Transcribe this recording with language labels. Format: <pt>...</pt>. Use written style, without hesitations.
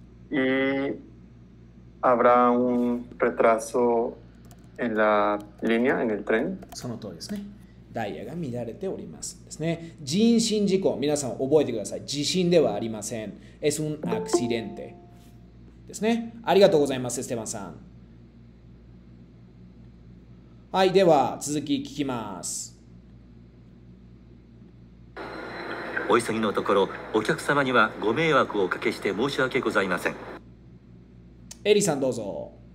<es>Y habrá un retraso en la línea, en el tren.</es> <ja>その通りですね。ダイヤが乱れております。ですね。人身事故、皆さん覚えてください。地震ではありません。</ja> <es>Es un accidente</es> <ja>ですね。ありがとうございます、エステバンさん。はい、では続き聞きます。お急ぎのところ、お客様にはご迷惑をおかけして申し訳ございません。エリさん、どうぞ。</ja>